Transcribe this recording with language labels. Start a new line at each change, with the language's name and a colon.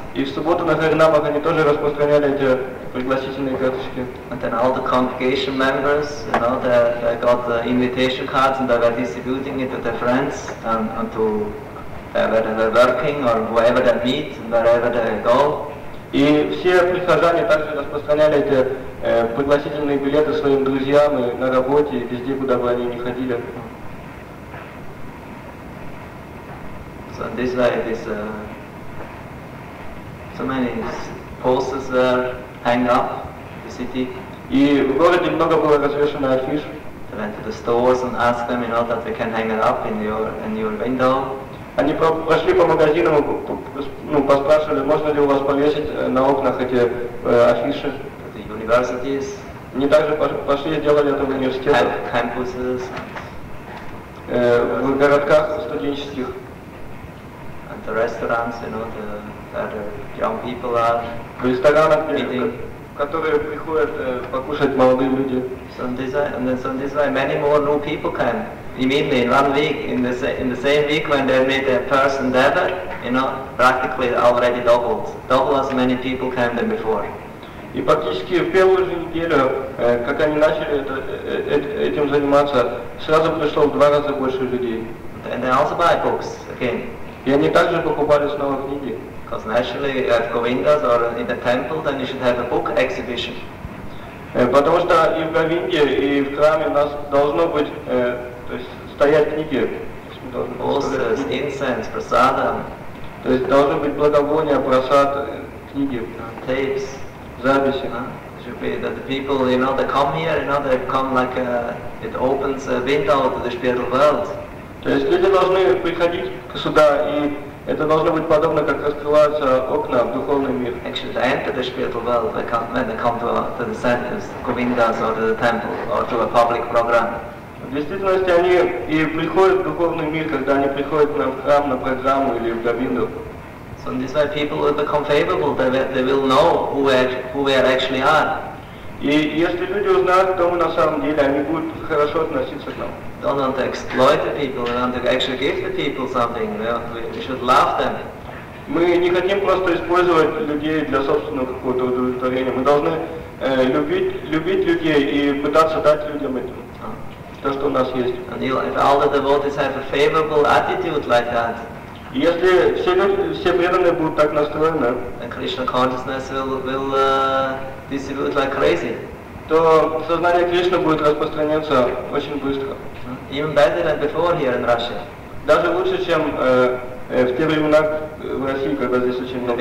Russian: И в субботу на Харинамах они тоже распространяли эти пригласительные карточки.
English: And then all the congregation members, you know, they got the invitation cards and they were distributing it to their friends and to wherever they were working or whoever they meet, wherever they go.
Russian: И все прихожане также распространяли эти пригласительные билеты своим друзьям и на работе, и везде, куда бы они ни ходили.
English: So this way, this so many posters were hang up in the city.
Russian: И в городе много было развешено афиш.
English: They went to the stores and asked them, you know, that they can hang it up in your window.
Russian: Они пошли по магазинам, поспрашивали, можно ли у вас повесить на окнах эти афиши.
English: The universities.
Russian: Они также пошли и делали это в университетах.
English: Campuses.
Russian: В городках студенческих.
English: And the restaurants, you know, the young people are.
Russian: В ресторанах, которые приходят покушать молодые люди.
English: So this way, many more new people can. Immediately in 1 week, in the same week when they made their first endeavor, you know, practically already doubled. Double as many people came than before.
Russian: И практически в первую же неделю, как они начали этим заниматься, сразу пришло в два раза больше людей.
English: And they also buy books again.
Russian: И они также покупали снова книги.
English: Because naturally at Govindas or in the temple, then you should have a book exhibition.
Russian: Потому что и в Говинде, и в храме у нас должно быть то есть стоять книги.
English: Posters, incense, prasadam.
Russian: То есть должно быть благовоние, прасад, книги.
English: Tapes.
Russian: Записи.
English: Should be that the people, you know, they come here, you know, they come like it opens a window to the spiritual world.
Russian: То есть люди должны приходить сюда, и это должно быть подобно, как раскрываются окна в духовный мир.
English: Actually, they enter the spiritual world when they come to the centers, Govindas, or to the temple, or to a public program.
Russian: В действительности, они и приходят в духовный мир, когда они приходят в храм, на программу или в Говинду.
English: So this is why people will become favorable. They will know who we actually are. И если люди узнают, кто мы на самом деле, они будут хорошо относиться к нам. Don't want to exploit the people. We want to actually give the people something. We should love them.
Russian: Мы не хотим просто использовать людей для собственного какого-то удовлетворения. Мы должны любить людей и пытаться дать людям это. То, что у нас есть.
English: And if all the devotees have a favorable attitude like that.
Russian: Если все преданные будут так настроены,
English: then Krishna consciousness will distribute like crazy.
Russian: То сознание Кришны будет распространяться очень быстро.
English: Even better than before here in Russia.
Russian: Даже лучше, чем в те времена в России, когда здесь очень много.